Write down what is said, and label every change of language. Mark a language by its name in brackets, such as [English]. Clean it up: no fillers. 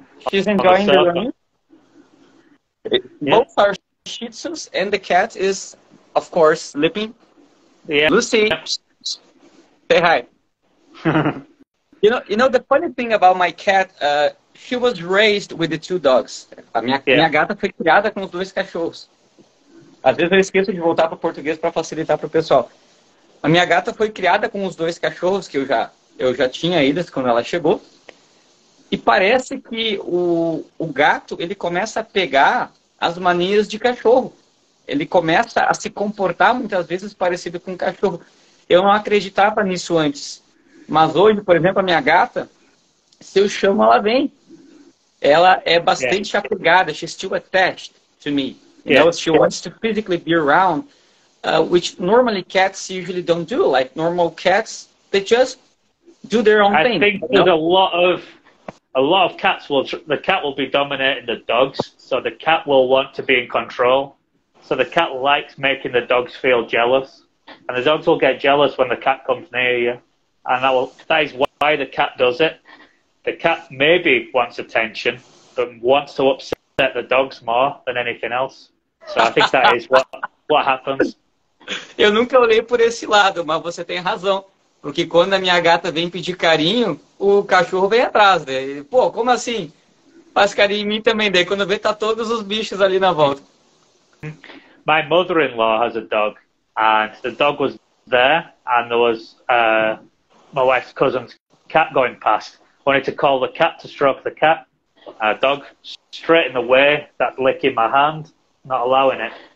[English] She's enjoying the room. Both are Shih Tzus and the cat is... Of course, sleeping. Yeah. Lucy, say hi. you know, the funny thing about my cat, she was raised with the two dogs. [Portuguese] A minha gata foi criada com os dois cachorros. Às vezes eu esqueço de voltar para o português para facilitar para o pessoal. A minha gata foi criada com os dois cachorros que eu já tinha eles quando ela chegou. E parece que o gato, ele começa a pegar as manias de cachorro. Ele começa a se comportar muitas vezes parecido com um cachorro. Eu não acreditava nisso antes. Mas hoje, por exemplo, a minha gata, se eu chamo, ela vem. Ela é bastante apegada. [English] She's still attached to me. You know, she wants to physically be around. Which normally cats usually don't do. Like normal cats, they just do their own thing. I think there's a lot of cats will, the cat will be dominating the dogs. So the cat will want to be in control. So the cat likes making the dogs feel jealous. And the dogs will get jealous when the cat comes near you. And that is why the cat does it. The cat maybe wants attention, but wants to upset the dogs more than anything else. So I think that is what happens. [Portuguese] Eu nunca olhei por esse lado, mas você tem razão. Porque quando a minha gata vem pedir carinho, o cachorro vem atrás, né? E, pô, como assim? Faz carinho em mim também. Daí quando vê, tá todos os bichos ali na volta. [English] My mother-in-law has a dog, and the dog was there, and there was my wife's cousin's cat going past. Wanted to call the cat to stroke the cat. Dog straight in the way, that licking my hand, not allowing it.